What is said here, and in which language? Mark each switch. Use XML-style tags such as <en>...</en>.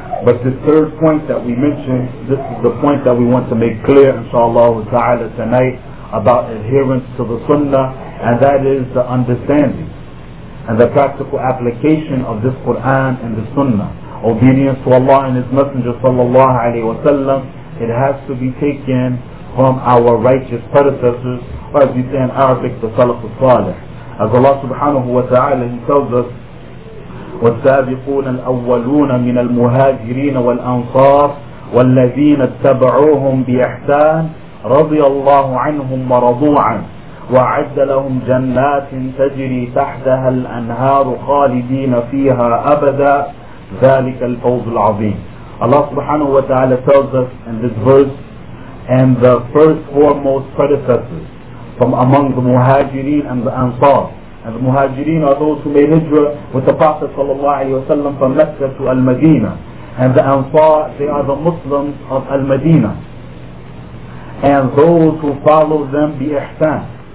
<en>But the third point that we mentioned, this is the point that we want to make clear inshallah ta'ala tonight about adherence to the sunnah, and that is the understanding and the practical application of this Quran and the sunnah. Obedience to Allah and His Messenger sallallahu alayhi wa sallam, it has to be taken from our righteous predecessors, or as we say in Arabic, the Salaf al-Salih. As Allah subhanahu wa ta'ala, He tells us,</en> <ar>والسابقون الأولون من المهاجرين والأنصار والذين اتبعوهم بإحسان رضي الله عنهم ورضوا عنه وأعد لهم جنات تجري تحتها الأنهار خالدين فيها أبدا ذلك الفوز العظيم.</ar> <en>Allah subhanahu wa ta'ala tells us in this verse, and the first foremost predecessors from among the muhajirin and the ansar. And the muhajirin are those who made hijrah with the Prophet sallallahu alayhi wa sallam from Mecca to Al-Madinah. And the Ansar, they are the Muslims of Al-Madinah. And those who follow them bi ihsan.</en>